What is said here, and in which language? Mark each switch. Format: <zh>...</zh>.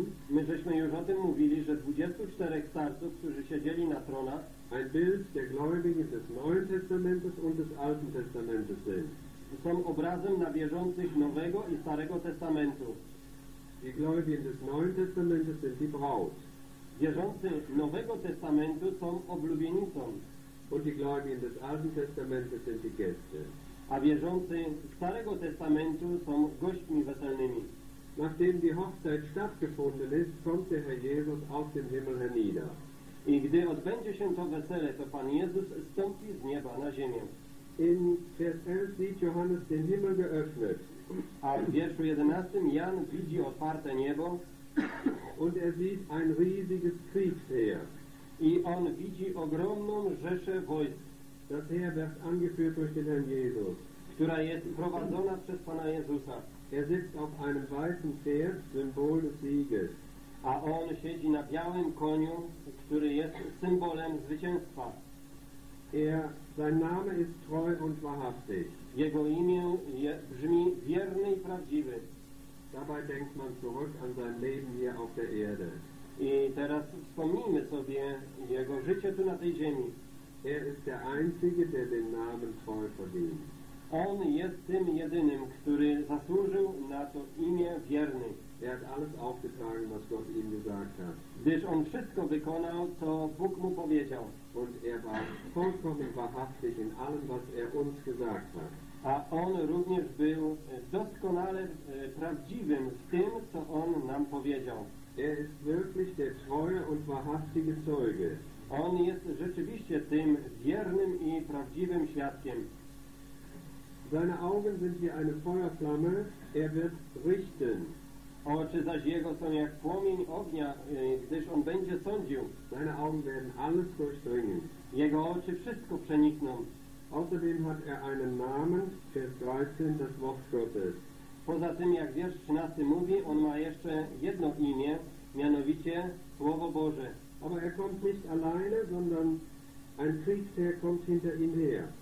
<pl>My żeśmy już o tym mówili, że 24 starców, którzy siedzieli na tronach,</pl> <de>ein Bild der Gläubigen des Neuen Testamentes und des Alten Testamentes sind.</de> <pl>Są obrazem na wierzących Nowego i Starego Testamentu.</pl> <de>Die Gläubigen des Neuen Testamentes sind die Braut.</de> <pl>Wierzący Nowego Testamentu są oblubienicą.</pl> <de>Und die Gläubigen des Alten Testamentes sind die Gäste.</de> <pl>A wierzący Starego Testamentu są gośćmi weselnymi.</pl> <de>Nachdem die Hochzeit stattgefunden ist, kommt der Herr Jesus aus dem Himmel hernieder.</de> <pl>I gdy odbędzie się to wesele, to Pan Jezus zstąpi z nieba na ziemię.</pl> <de>In Vers 11 sieht Johannes den Himmel geöffnet.</de> <pl>A w wierszu 11 Jan widzi otwarte niebo.</pl> <de>Und sieht ein riesiges Kriegsheer.</de> <pl>I on widzi ogromną rzeszę wojsk.</pl> <de>Das Heer wird angeführt durch den Herrn Jesus.</de> <pl>Która jest prowadzona przez Pana Jezusa.</pl> <de>Sitzt auf einem weißen Pferd, Symbol des Sieges.</de> <pl>A on siedzi na białym koniu, który jest symbolem zwycięstwa.</pl> <de>Sein Name ist treu und wahrhaftig.</de> <pl>Jego imię brzmi wierny i prawdziwy.</pl> <de>Dabei denkt man zurück an sein Leben hier auf der Erde.</de> <pl>I teraz wspomnijmy sobie jego życie tu na tej ziemi.</pl> <de>Ist der einzige, der den Namen treu verdient.</de> <pl>On jest tym jedynym, który zasłużył na to imię wierny.</pl> <de>Er hat alles aufgetragen, was Gott ihm gesagt hat.</de> <pl>Gdyż on wszystko wykonał, co Bóg mu powiedział.</pl> <de>Und war vollkommen wahrhaftig in allem, was uns gesagt hat.</de> <pl>A on również był doskonale prawdziwym w tym, co on nam powiedział.</pl> <de>Ist wirklich der treue und wahrhaftige Zeuge.</de> <pl>On jest rzeczywiście tym wiernym i prawdziwym świadkiem.</pl> <de>Seine Augen sind wie eine Feuerflamme, wird richten.</de> <pl>Oczy zaś jego są jak płomień ognia, gdyż on będzie sądził.</pl> <de>Seine Augen werden alles durchdringen.</de> <pl>Jego oczy wszystko przenikną.</pl> <de>Außerdem hat einen Namen, Vers 13, das Wort Gottes.</de> <pl>Poza tym, jak wiersz 13 mówi, on ma jeszcze jedno imię, mianowicie Słowo Boże.</pl> <de>Aber kommt nicht alleine, sondern ein Kriegsherr kommt hinter ihm her.</de>